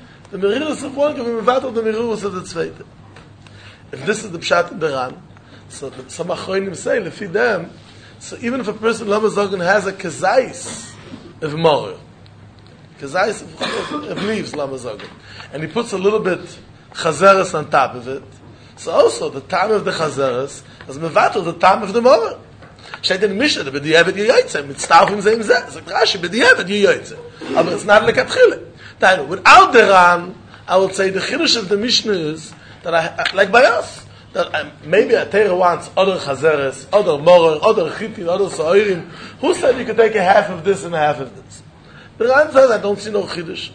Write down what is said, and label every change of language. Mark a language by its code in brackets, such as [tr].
[en] The merirus of one can be מבטל the merirus of the tzveit. If this is the pshat in the Ran, so that some achroinim say, לפי דם, so even if a person לא מזוגן has a kezayis of morer, kezayis of leaves לא מזוגן, and he puts a little bit chazeres on top of it, so also the time of the chazeres אז מבטל, the time of the morer. [he] שייתן מישה, זה בדיעבד יויצה, מצטרפים זה עם זה. זה קרה שבדיעבד יויצה. [en] אבל it's not like התחילה. Without the Ran, I would say the chidush of the Mishnah is, that I, like by us, that maybe a Teira wants other chazeres, other morer, other chitin, other sa'irim. Who said you could take a half of this and a half of this? The Ram says, I don't see no chiddush.